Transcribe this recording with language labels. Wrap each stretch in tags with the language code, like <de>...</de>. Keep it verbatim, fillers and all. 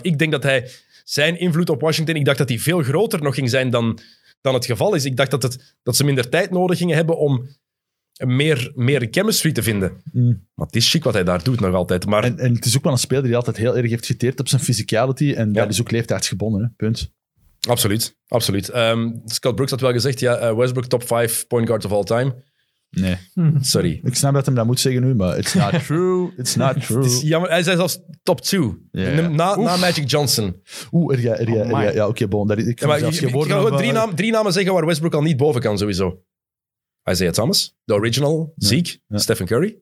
<nl>Ik denk dat hij zijn invloed op Washington, ik dacht dat hij veel groter nog ging zijn dan, dan het geval is. Ik dacht dat, het, dat ze minder tijd nodig gingen hebben om... Meer, meer chemistry te vinden. Mm. Maar het is chic wat hij daar doet nog altijd. Maar... En, en het is ook wel een speler die altijd heel erg heeft geteerd op zijn physicality. En ja. dat is ook leeftijdsgebonden. Hè? Punt. Absoluut. absoluut. Um, Scott Brooks had wel gezegd, ja, uh, Westbrook top vijf point guard of all time. Nee. Hm. Sorry. Ik snap dat hem dat moet zeggen nu, maar</nl> <en>it's not true. It's not true.</en> <nl>Het is jammer. Hij zei zelfs top twee.</nl> <en>Yeah.</en> <nl>Na, na Magic Johnson. Oeh, er, er, er, er, er, ja, oké, okay, bon. Daar, ik kan ja, maar, je, je kan gewoon drie, naam, drie namen zeggen waar Westbrook al niet boven kan, sowieso. Isaiah Thomas, de original, ja. Zeke, ja. Stephen Curry.</nl>